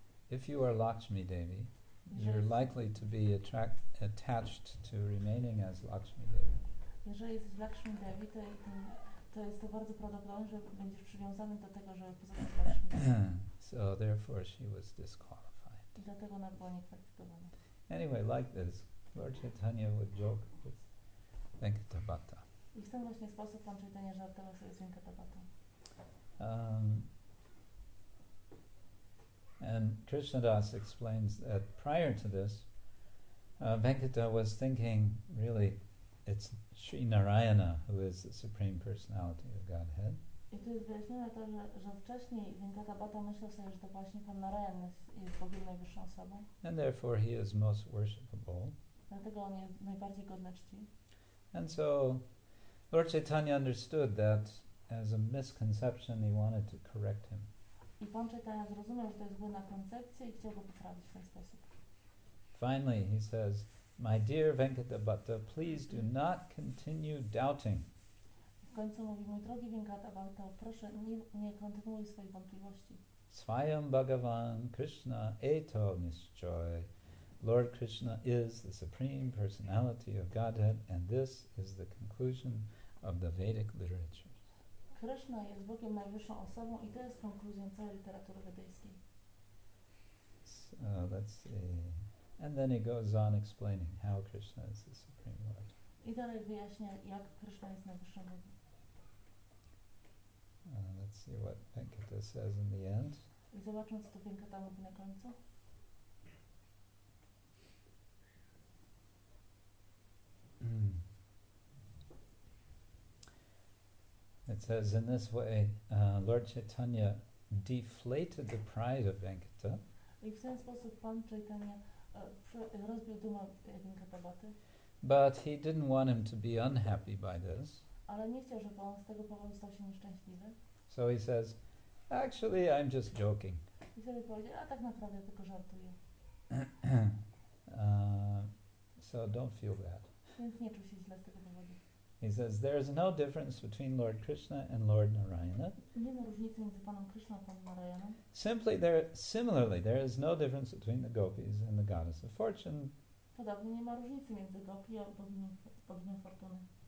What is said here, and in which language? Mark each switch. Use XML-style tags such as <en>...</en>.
<en>If you are Lakshmi Devi, you're likely to be attached to remaining as Lakshmi Devi.</en> <pl>Jeżeli jesteś Lakshmi Devi, to jest to bardzo prawdopodobne, że będziesz przywiązany do tego, żeby pozostać Lakshmi Devi.</pl> <en>So therefore she was disqualified.</en> <pl>I dlatego ona była niekwalifikowana.</pl> <en>Anyway, like this, Lord Chaitanya would joke with Venkatabhata.</en> <pl>I w ten właśnie sposób Pan Chaitanya żartował sobie z Venkatabhatą.</pl> <en>And Krishnadas explains that prior to this, Venkata was thinking, really, it's Sri Narayana who is the Supreme Personality of Godhead.</en> <pl>I tu jest wyjaśnione to, że wcześniej Venkata Bhatta myślał sobie, że to właśnie Pan Narayan jest Bogiem najwyższą osobą.</pl> <en>And therefore he is most worshipable.</en> <pl>Dlatego on jest najbardziej godny czci.</pl> <en>And so Lord Chaitanya understood that as a misconception, he wanted to correct him.</en> <pl>I Pan Chaitanya zrozumiał, że to jest błędna koncepcja i chciał go poprawić w ten sposób.</pl> <en>Finally, he says, "My dear Venkata Bhatta, please do not continue doubting."</en> <pl>W końcu mówi, mój drogi Venkata Bhatta, proszę, nie kontynuuj swoich wątpliwości.</pl> <bn>Svayam Bhagavan Krishna eto nischoy.</bn> <en>Lord Krishna is the Supreme Personality of Godhead, and this is the conclusion of the Vedic literature.</en> <pl>Krishna jest Bogiem najwyższą osobą i to jest konkluzją całej literatury wedyjskiej.</pl> <en>So, let's see. And then he goes on explaining how Krishna is the Supreme Lord.</en> <pl>I dalej wyjaśnia, jak Krishna jest najwyższym Bogiem.</pl> <en>Let's see what Venkata says in the end.</en> <pl>I zobaczmy, co to Venkata mówi na końcu.</pl> <en>It says, in this way, Lord Chaitanya deflated the pride of Venkata.</en> <pl>I w ten sposób Pan Chaitanya rozbił dumę Venkata Bhatty.</pl> <en>But he didn't want him to be unhappy by this.</en> <pl>Ale nie chciał, żeby on z tego powodu stał się nieszczęśliwy.</pl> <en>So he says, actually, I'm just joking.</en> <pl>I sobie powiedział, a tak naprawdę tylko żartuję.</pl> <en>So don't feel bad.</en> <pl>Więc nie czuł się źle z tego powodu.</pl> <en>He says, there is no difference between Lord Krishna and Lord Narayana.</en> <pl>Nie ma różnicy między Panem Krishna a Panem Narayana.</pl> <en>Similarly, there is no difference between the gopis and the goddess of fortune.</en> <pl>Podobnie nie ma różnicy między gopi a boginią fortuny.</pl>